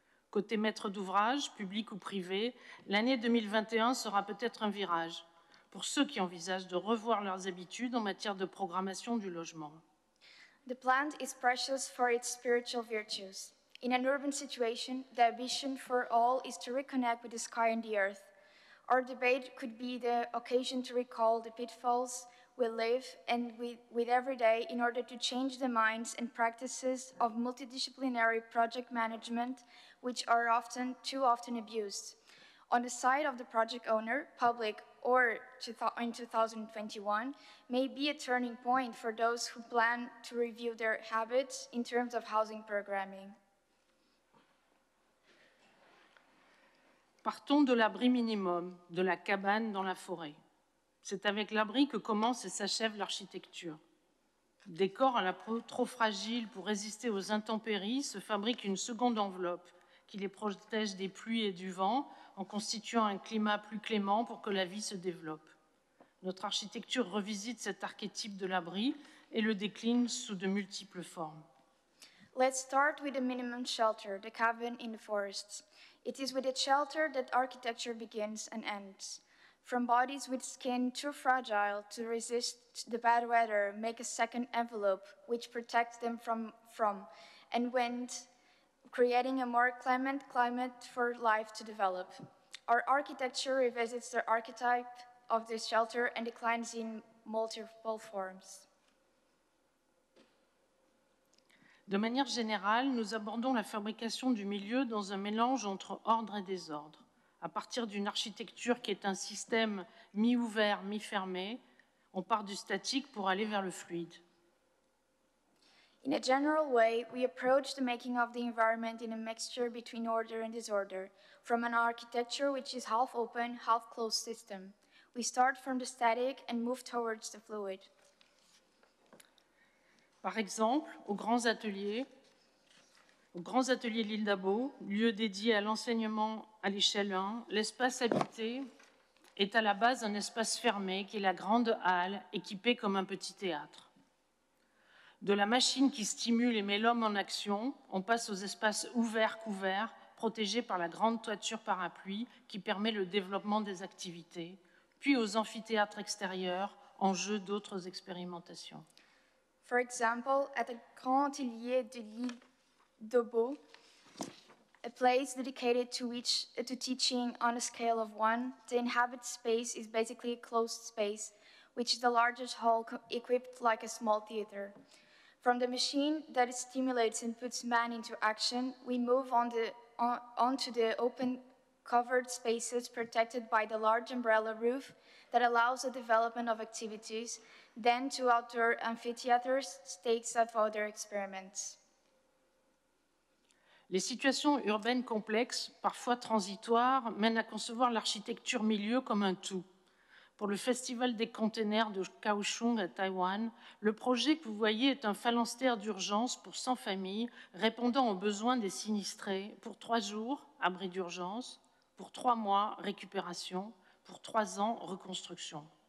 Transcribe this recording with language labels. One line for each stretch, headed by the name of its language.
French: Côté maître d'ouvrage, public ou privé, l'année 2021 sera peut-être un virage pour ceux qui envisagent de revoir leurs habitudes en matière de programmation du logement.
English: The plant is precious for its spiritual virtues. In an urban situation, the ambition for all is to reconnect with the sky and the earth. Our debate could be the occasion to recall the pitfalls we live and with every day in order to change the minds and practices of multidisciplinary project management, which are often too often abused. On the side of the project owner, public, or in 2021, may be a turning point for those who plan to review their habits in terms of housing programming.
French: Partons de l'abri minimum, de la cabane dans la forêt. C'est avec l'abri que commence et s'achève l'architecture. Décor à la peau trop fragile pour résister aux intempéries, se fabrique une seconde enveloppe qui les protège des pluies et du vent, en constituant un climat plus clément pour que la vie se développe. Notre architecture revisite cet archétype de l'abri et le décline sous de multiples formes.
English: Let's start with the minimum shelter, the cabin in the forests. It is with a shelter that architecture begins and ends. From bodies with skin too fragile to resist the bad weather, make a second envelope which protects them from and wind, creating a more clement climate for life to develop. Our architecture revisits the archetype of this shelter and declines in multiple forms.
French: De manière générale, nous abordons la fabrication du milieu dans un mélange entre ordre et désordre. À partir d'une architecture qui est un système mi-ouvert, mi-fermé, on part du statique pour aller vers le fluide.
English: In a general way, we approach the making of the environment in a mixture between order and disorder, from an architecture which is half open, half closed system. We start from the static and move towards the fluid.
French: Par exemple, aux grands ateliers de l'île d'Abeau, lieu dédié à l'enseignement à l'échelle 1, l'espace habité est à la base un espace fermé qui est la grande halle équipée comme un petit théâtre. De la machine qui stimule et met l'homme en action, on passe aux espaces ouverts, couverts, protégés par la grande toiture parapluie qui permet le développement des activités, puis aux amphithéâtres extérieurs, enjeux d'autres expérimentations.
English: For example, at the Grand Atelier de l'île d'Abeau, a place dedicated to teaching on a scale of one, the inhabited space is basically a closed space, which is the largest hall equipped like a small theater. From the machine that stimulates and puts man into action, we move onto the open covered spaces protected by the large umbrella roof that allows the development of activities, then to outdoor amphitheaters, stakes of other experiments.
French: Les situations urbaines complexes, parfois transitoires, mènent à concevoir l'architecture milieu comme un tout. Pour le Festival des containers de Kaohsiung à Taïwan, le projet que vous voyez est un phalanstère d'urgence pour 100 familles répondant aux besoins des sinistrés pour 3 jours, abri d'urgence, pour 3 mois, récupération, pour 3 ans, reconstruction.